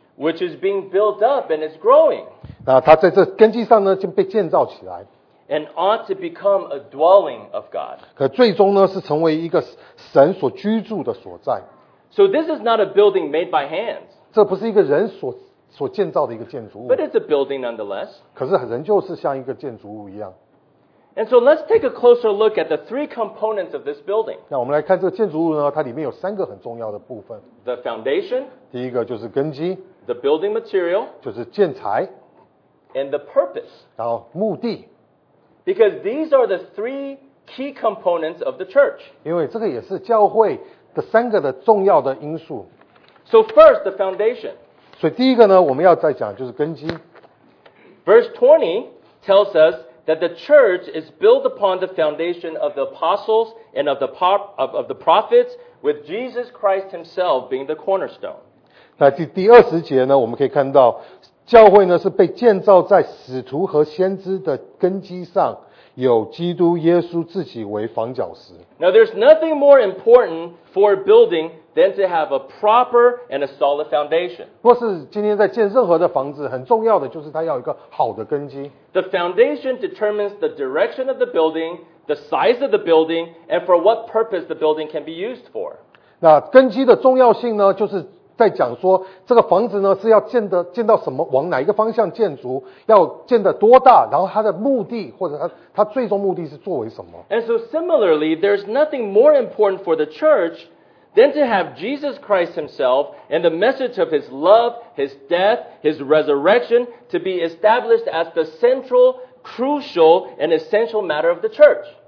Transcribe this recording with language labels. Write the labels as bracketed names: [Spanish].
[English] Which is being built up and is growing. [Chinese] 那它在这根基上呢，就被建造起来. [English] And ought to become a dwelling of God. [Chinese] 可最终呢，是成为一个神所居住的所在. [English] So this is not a building made by hands. [Chinese] 这不是一个人所建造的一个建筑物, [English] but it's a building nonetheless. [Chinese] 可是人就是像一个建筑物一样。 [English] And so let's take a closer look at the three components of this building. [Chinese] 那我们来看这个建筑物呢, 它里面有三个很重要的部分。 [English] The foundation. [Chinese] 第一个就是根基。 [English] The building material. [Chinese] 就是建材。 [English] And the purpose. [Chinese] 然后目的。 [English] Because these are the three key components of the church. [Chinese] 因为这个也是教会的三个的重要的因素。 [English] So first, the foundation. [Chinese] 所以第一个呢, 我们要再讲就是根基。 [English] Verse 20 tells us that the church is built upon the foundation of the apostles and of the prophets, with Jesus Christ himself being the cornerstone. [Chinese] 那第20节呢, 我们可以看到, 教会呢, 是被建造在使徒和先知的根基上, 有基督耶稣自己为房角石。 [English] Now there's nothing more important for building than to have a proper and a solid foundation. [Chinese] 若是今天在建任何的房子，很重要的就是它要有一个好的根基。 [English] The foundation determines the direction of the building, the size of the building, and for what purpose the building can be used for. [Chinese] 那根基的重要性呢，就是在讲说这个房子呢是要建的建到什么，往哪一个方向建筑，要建的多大，然后它的目的或者它最终目的是作为什么。 [English] And so similarly, there's nothing more important for the church than to have Jesus Christ himself and the message of his love, his death, his resurrection to be established as the central, crucial, and essential matter of the church.